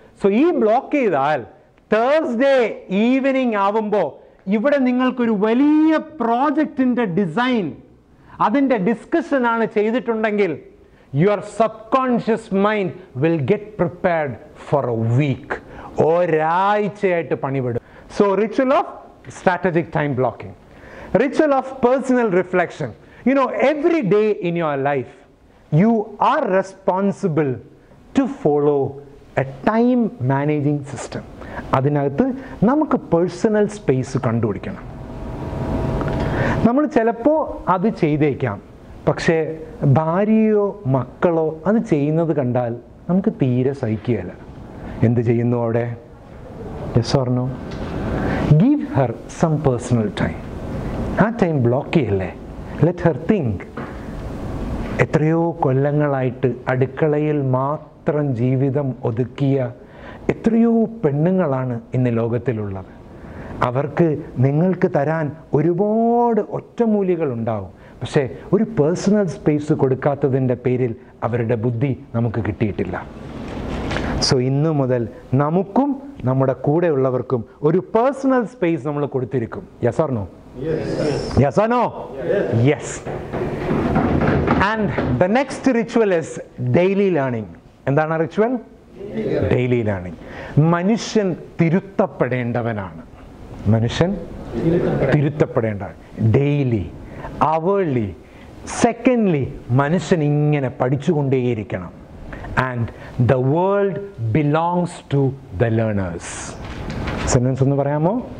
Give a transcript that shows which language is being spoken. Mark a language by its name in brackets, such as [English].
[Malayalam] So ഈ block ചെയ്താൽ Thursday evening ആവുമ്പോൾ ഇവിടെ നിങ്ങൾക്കൊരു വലിയ പ്രോജക്റ്റിൻ്റെ ഡിസൈൻ, അതിൻ്റെ ഡിസ്കഷനാണ് ചെയ്തിട്ടുണ്ടെങ്കിൽ [English] Your subconscious mind will get prepared for a week. [Malayalam] ഒരാഴ്ചയായിട്ട് പണിപെടും. [English] So ritual of strategic time blocking, ritual of personal reflection. You know, every day in your life, you are responsible to follow a time managing system. [Malayalam] അതിനകത്ത് നമുക്ക് personal space കണ്ടുപിടിക്കണം. നമ്മൾ ചിലപ്പോൾ അത് ചെയ്തേക്കാം, പക്ഷേ ഭാര്യയോ മക്കളോ അത് ചെയ്യുന്നത് കണ്ടാൽ നമുക്ക് തീരെ സഹിക്കുകയില്ല. എന്ത് ചെയ്യുന്നു അവിടെ? [English] Yes or no? Give her some personal time. [Malayalam] ആ ടൈം ബ്ലോക്ക് ചെയ്യല്ലേ. [English] Let her think. [Malayalam] എത്രയോ കൊല്ലങ്ങളായിട്ട് അടുക്കളയിൽ മാത്രം ജീവിതം ഒതുക്കിയ എത്രയോ പെണ്ണുങ്ങളാണ് ഇന്ന് ലോകത്തിലുള്ളത്. അവർക്ക് നിങ്ങൾക്ക് തരാൻ ഒരുപാട് ഒറ്റമൂലികൾ ഉണ്ടാവും, പക്ഷേ ഒരു പേഴ്സണൽ സ്പേസ് കൊടുക്കാത്തതിൻ്റെ പേരിൽ അവരുടെ ബുദ്ധി നമുക്ക് കിട്ടിയിട്ടില്ല. സോ ഇന്ന് മുതൽ നമുക്കും നമ്മുടെ കൂടെയുള്ളവർക്കും ഒരു പേഴ്സണൽ സ്പേസ് നമ്മൾ കൊടുത്തിരിക്കും. [English] Yes or no? Yes. Yes or no? Yes. Yes. And the next ritual is daily learning. [Malayalam] എന്താണ് റിച്വൽ? [English] daily [Malayalam] learning. മനുഷ്യൻ തിരുത്തപ്പെടേണ്ടവനാണ്. മനുഷ്യൻ തിരുത്തപ്പെടേണ്ട. ഡെയിലി, അവേർലി, സെക്കൻഡ്ലി, മനുഷ്യൻ ഇങ്ങനെ പഠിച്ചുകൊണ്ടേയിരിക്കണം. [English] And the world belongs to the learners. [Malayalam] Sentence ഒന്ന് പറയാമോ?